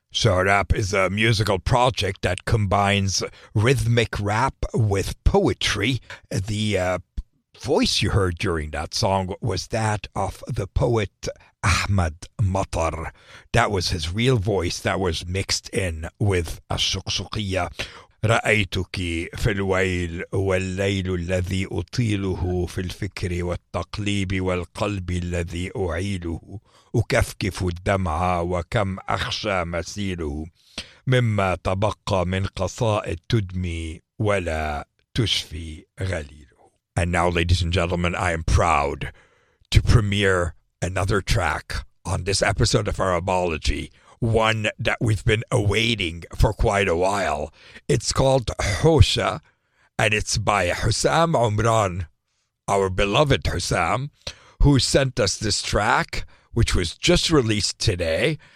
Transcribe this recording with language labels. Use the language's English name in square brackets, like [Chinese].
[English] Sharap is a musical project that combines rhythmic rap with poetry. The voice you heard during that song was that of the poet Ahmed Matar. That was his real voice that was mixed in with a shukshukiya. [Arabic] رأيتك في الويل والليل الذي أطيله في الفكر والتقليب والقلب الذي أعيله أكفكف الدمع وكم أخشى مسيله مما تبقى من قصائد تدمي ولا تشفي غليله. [English] And now, ladies and gentlemen, I am proud to premiere another track on this episode of Arabology. One that we've been awaiting for quite a while. It's called Hosha, and it's by Hussam Umran, our beloved Hussam, who sent us this track, which was just released today.